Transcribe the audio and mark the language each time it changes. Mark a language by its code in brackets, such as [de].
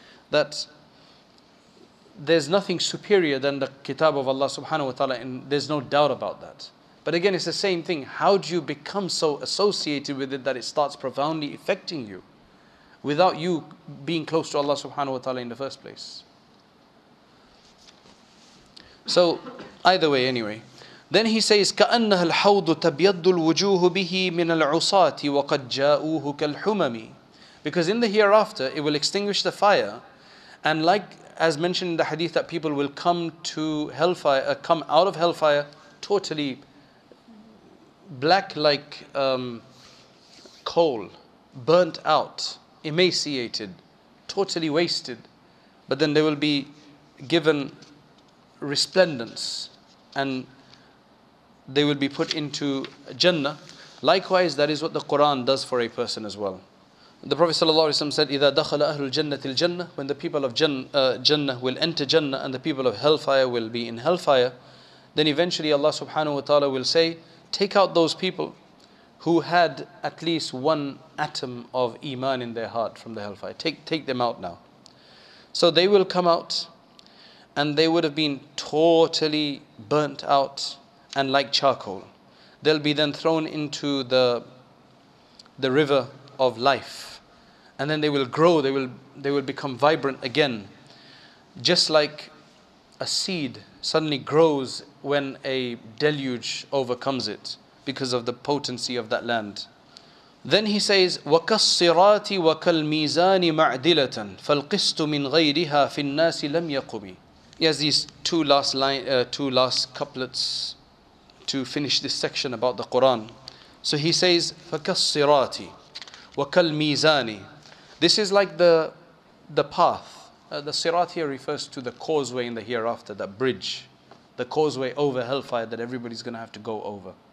[en] That there's nothing superior than the kitab of Allah subhanahu wa ta'ala, and there's no doubt about that. But again, it's the same thing. How do you become so associated with it that it starts profoundly affecting you without you being close to Allah subhanahu wa ta'ala in the first place? So, either way, anyway. Then he says, [ar] كَأَنَّهَا الْحَوْضُ تَبْيَضُّ الْوُجُوهُ بِهِ مِنَ الْعُصَاتِ وَقَدْ جَاءُوهُ كَالْحُمَمِ. [en] Because in the hereafter, it will extinguish the fire, and like as mentioned in the hadith, that people will come to hellfire, come out of hellfire totally black like coal, burnt out, emaciated, totally wasted. But then they will be given resplendence and they will be put into Jannah. Likewise, that is what the Quran does for a person as well. The Prophet ﷺ said, [ar] إِذَا دَخَلَ أَهْلُ الْجَنَّةِ الْجَنَّةِ. [en] When the people of Jannah will enter Jannah and the people of hellfire will be in hellfire, then eventually Allah subhanahu wa ta'ala will say, take out those people who had at least one atom of iman in their heart from the hellfire. Take them out now. So they will come out and they would have been totally burnt out and like charcoal. They'll be then thrown into the river of life, and then they will grow, they will become vibrant again, just like a seed suddenly grows when a deluge overcomes it because of the potency of that land. Then he says, [ar] وَكَالصِّرَاتِ وَكَالْمِيزَانِ مَعْدِلَةً فَالْقِسْتُ مِنْ غَيْرِهَا فِي النَّاسِ لَمْ يَقُمِ. [en] He has these two last couplets to finish this section about the Quran. So he says, [ar] فَكَالصِّرَاتِ وَكَالْمِيزَانِ. [en] This is like the path. The sirat here refers to the causeway in the hereafter, that bridge, the causeway over hellfire that everybody's going to have to go over.